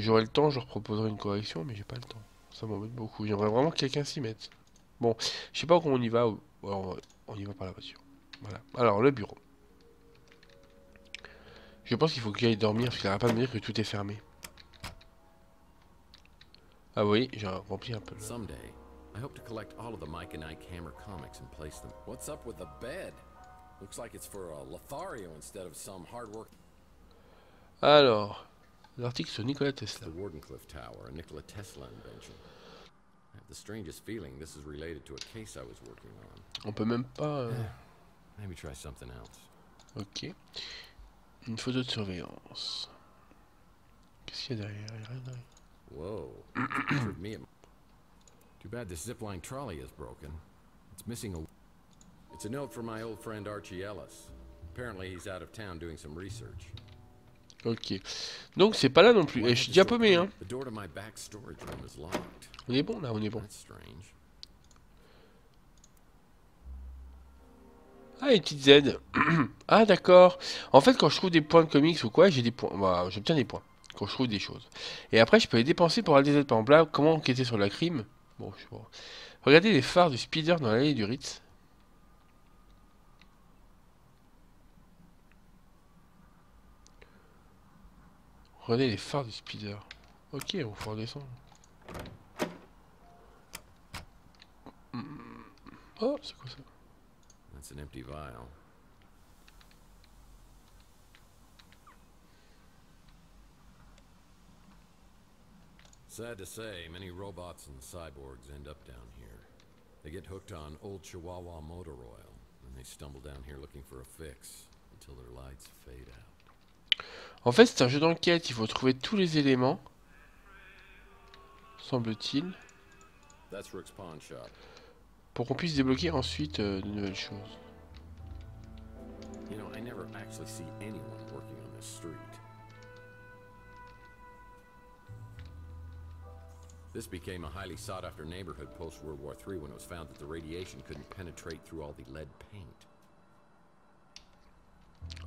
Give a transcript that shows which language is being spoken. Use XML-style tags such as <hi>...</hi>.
<fr>J'aurais le temps, je leur proposerais une correction, mais j'ai pas le temps. Ça m'embête beaucoup. J'aimerais vraiment que quelqu'un s'y mette. Bon, je sais pas comment on y va. Alors, on y va par la voiture. Voilà. Alors, le bureau. Je pense qu'il faut que j'aille dormir parce qu'il n'arrête pas de me dire que tout est fermé. Ah oui, j'ai rempli un peu. Là.</fr> <en>Someday, I hope to collect all of the Mike and Ike Hammer comics and place them. What's up with the bed? Looks like it's for a Lothario instead of some hard work.</en> <fr>Alors, l'article sur Nikola Tesla.</fr> <en>The Wardenclyffe Tower, a Nikola Tesla invention. The strangest feeling this is related to a case I was working on.</en> <fr>On peut même pas</fr> <en>maybe try something else.</en> <fr>OK. Une photo de surveillance. Qu'est-ce qu'il y a derrière? Il y a rien derrière.</fr> <en>Whoa. Too bad this zipline trolley is broken. It's missing a It's a note from my old friend Archie Ellis. Apparently he's out of town doing some research. OK.</en> <fr>Donc c'est pas là non plus. Et je suis déjà paumé hein.</fr> <en>The door to my back storage room is locked.</en> <fr>On est bon là, on est bon. Ah, une petite Z. Ah, d'accord. En fait, quand je trouve des points de comics ou quoi, j'ai des points. Bah, j'obtiens des points quand je trouve des choses. Et après, je peux les dépenser pour aller des Z. Par exemple, là, comment enquêter sur la crime? Bon, je sais pas. Regardez les phares du speeder dans l'allée du Ritz. Regardez les phares du speeder. Ok, on va redescendre. Oh, c'est quoi ça?</fr> <en>That's an empty vial. Sad to say, many robots and cyborgs end up down here. They get hooked on old Chihuahua motor oil, and they stumble down here looking for a fix until their lights fade out.</en> <fr>En fait, c'est un jeu d'enquête. Il faut trouver tous les éléments, semble-t-il.</fr> <en>That's Rick's pawn shop.</en> <fr>Pour qu'on puisse débloquer ensuite de nouvelles choses.</fr> <en>You know, I never actually see anyone working on this street. This became a highly sought-after neighborhood post-World War III when it was found that the radiation couldn't penetrate through all the lead paint.</en>